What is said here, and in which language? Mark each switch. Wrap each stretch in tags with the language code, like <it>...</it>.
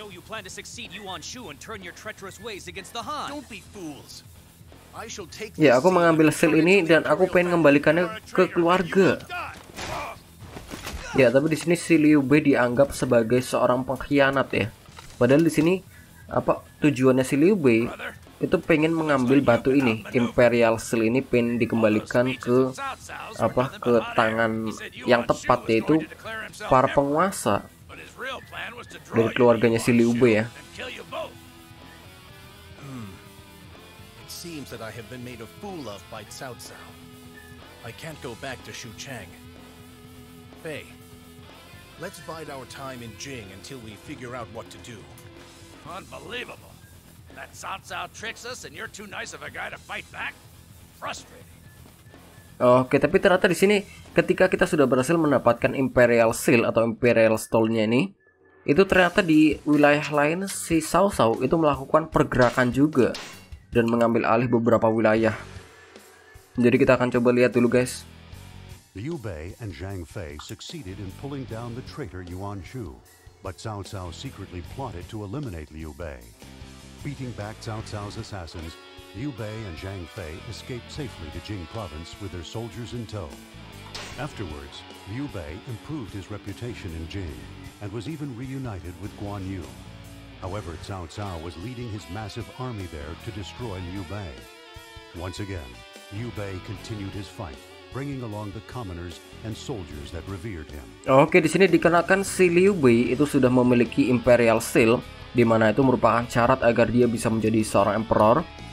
<en>Plan to succeed Yuan Shu and turn your treacherous ways against the Han. Don't be fools. I shall take.</en> <id>Ya, aku mengambil seal ini dan aku pengen mengembalikannya ke keluarga. Ya, tapi di sini si Liu Bei dianggap sebagai seorang pengkhianat ya. Padahal di sini tujuannya si Liu Bei itu pengen mengambil batu ini, Imperial Seal ini pengen dikembalikan ke ke tangan yang tepat yaitu para penguasa. Dari keluarganya si Liu Bei ya.</id> <en>It seems that I have been made a fool of by Cao Cao. I can't go back to Shu Chang. Fei, let's bide our time in Jing until we figure out what to do. Unbelievable. That Cao Cao tricks us and you're too nice of a guy to fight back? Frustrating.</en> <id>Oke, tapi ternyata di sini ketika kita sudah berhasil mendapatkan Imperial Seal atau Imperial Stole-nya ini, itu ternyata di wilayah lain si Cao Cao itu melakukan pergerakan juga dan mengambil alih beberapa wilayah. Jadi kita akan coba lihat dulu, guys.</id> <en>Liu Bei and Zhang Fei succeeded in pulling down the traitor Yuan Shu, but Cao Cao secretly plotted to eliminate Liu Bei. Beating back Cao Cao's assassins, Liu Bei and Zhang Fei escaped safely to Jing province with their soldiers in tow. Afterwards, Liu Bei improved his reputation in Jing and was even reunited with Guan Yu. However, Cao Cao was leading his massive army there to destroy Liu Bei. Once again, Liu Bei continued his fight, bringing along the commoners and soldiers that revered him.</en> <id>Oke, di sini dikenakan si Liu Bei itu sudah memiliki Imperial Seal, di mana itu merupakan syarat agar dia bisa menjadi seorang emperor.</id>